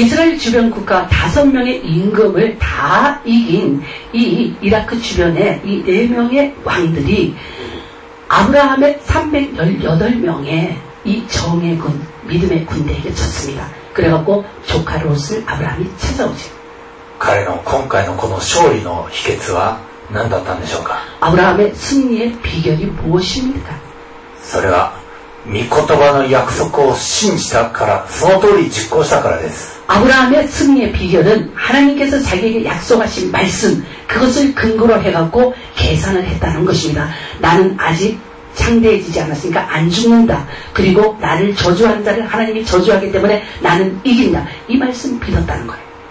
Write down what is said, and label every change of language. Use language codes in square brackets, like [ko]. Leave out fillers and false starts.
[ko] イスラエル주변국가5명의임금을다이긴이이라크주변의이4명의왕들이아브라함의318명의이정예군믿음의군대에게졌습니다그래갖고조카롯을아브라함이찾아오죠 [ja] 彼の今回のこの勝利の秘訣は何だったんでしょうか [ko] 아브라함의승리의비결이무엇입니까 [ja] それは御言葉の約束を信じたからその通り実行したからです [ko] 아브라함의승리의비결은하나님께서자기에게약속하신말씀그것을근거로해갖고계산을했다는것입니다나는아직창대해지지않았으니까안죽는다그리고나를저주한자를하나님이저주하기때문에나는이긴다이말씀을믿었다는거예요